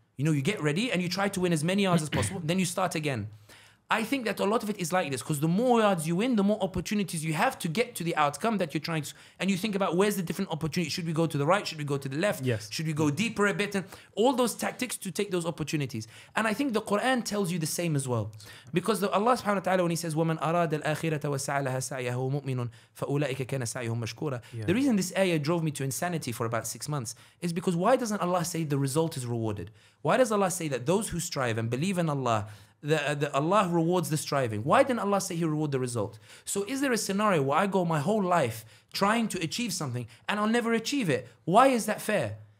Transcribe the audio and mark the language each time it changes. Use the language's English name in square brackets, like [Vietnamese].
[English] You know, you get ready and you try to win as many yards as possible, then you start again. I think that a lot of it is like this, because the more yards you win, the more opportunities you have to get to the outcome that you're trying to, and you think about where's the different opportunity. Should we go to the right? Should we go to the left? Yes. Should we go deeper a bit? And all those tactics to take those opportunities. And I think the Quran tells you the same as well. Because Allah subhanahu wa ta'ala, when he says, [Arabic] وَمَنْ أَرَادَ الْآخِرَةَ وَسَعَى لَهَا سَعْيَهُ مُؤْمِنٌ فَأُولَئِكَ كَانَ سَعْيُهُمْ مَشْكُورًا. [English] The reason this ayah drove me to insanity for about 6 months is because why doesn't Allah say the result is rewarded? Why does Allah say that those who strive and believe in Allah, that Allah rewards the striving? Why didn't Allah say he reward the result? So is there a scenario where I go my whole life trying to achieve something and I'll never achieve it? Why is that fair?